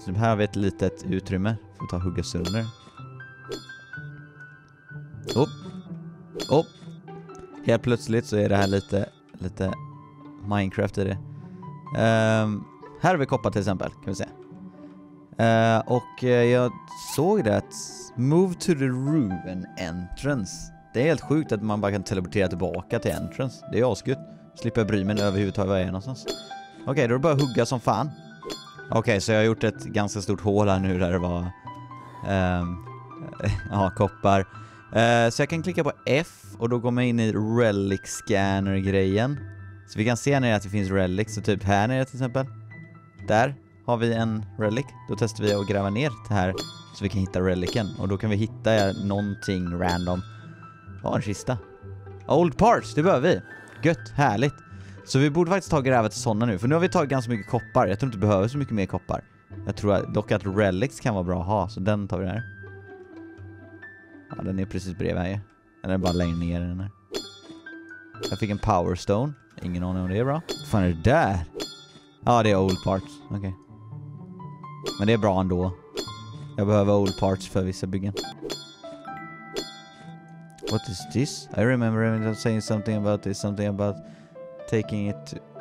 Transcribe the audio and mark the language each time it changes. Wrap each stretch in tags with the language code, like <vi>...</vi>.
<sv>Så här har vi ett litet utrymme. Får ta och hugga sönder. Helt plötsligt så är det här lite Minecraft i det. Här har vi koppar till exempel, kan vi se. Och jag såg det.</sv> <en>Move to the ruin entrance.</en> <sv>Det är helt sjukt att man bara kan teleportera tillbaka till entrance. Det är asgutt. Slipper bry mig överhuvudtaget var jag är någonstans. Okej, då är det bara hugga som fan. Okej, så jag har gjort ett ganska stort hål här nu där det var... koppar. Så jag kan klicka på F och då går man in i relic scanner-grejen. Så vi kan se när det finns relic. Så typ här nere till exempel. Där har vi en relic. Då testar vi att gräva ner det här så vi kan hitta relicen. Och då kan vi hitta någonting random. Vad är en kista? Old parts, det behöver vi. Gött, härligt. Så vi borde faktiskt ta gräva till sådana nu. För nu har vi tagit ganska mycket koppar. Jag tror inte vi behöver så mycket mer koppar. Jag tror dock att relics kan vara bra att ha. Så den tar vi där. Ja, den är precis bredvid här. Den är bara längre ner den här. Jag fick en power stone. Ingen aning om det är bra. Vad fan är det där? Ja, det är old parts. Okej. Men det är bra ändå. Jag behöver old parts för vissa byggen.</sv> <en>What is this? I remember him saying something about this. Something about taking it to...</en>